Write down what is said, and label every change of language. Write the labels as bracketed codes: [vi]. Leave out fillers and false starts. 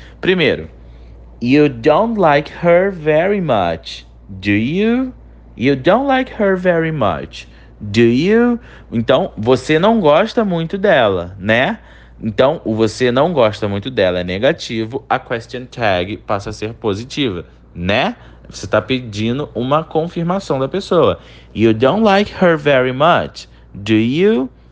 [pt] Primeiro, [en] you don't like her very much, do you? You don't like her very much, do you? [pt] Então, você não gosta muito dela, né? Então, o você não gosta muito dela é negativo, a question tag passa a ser positiva, né? Você está pedindo uma confirmação da pessoa. [en] You don't like her very much, do you?